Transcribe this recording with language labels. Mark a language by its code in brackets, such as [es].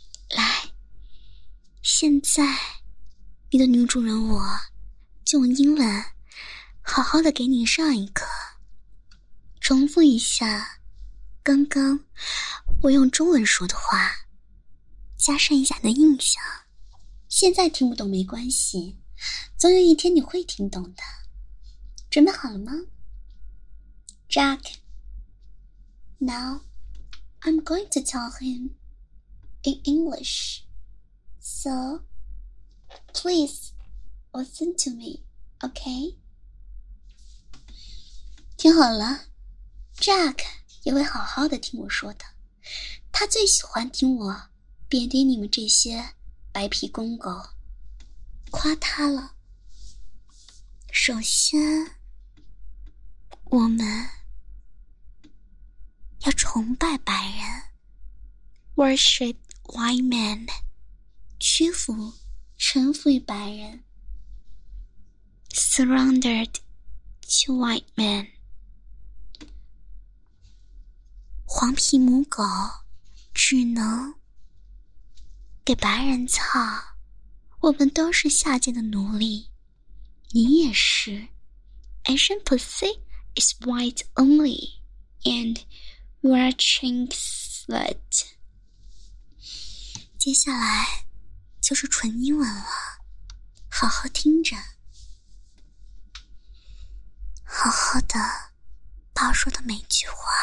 [zh] 来，现在你的女主人我就用英文好好的给你上一课，重复一下刚刚我用中文说的话，加深一下你的印象。现在听不懂没关系，总有一天你会听懂的。准备好了吗？ [en] Jack, now I'm going to tell him in English, so please listen to me, okay? [zh] 听好了， [en] Jack [zh] 也会好好的听我说的。他最喜欢听我贬低你们这些白皮公狗，夸他了。首先，我们要崇拜白人， [en] worship white man， [zh] 屈服，臣服于白人， [en] surrendered to white man。 [zh] 黄皮母狗只能给白人操，我们都是下贱的奴隶，你也是。 [en] Asian pussy is white only, and we are chink slut。 [zh] 接下来就是纯英文了，好好听着，好好的把我说的每句话。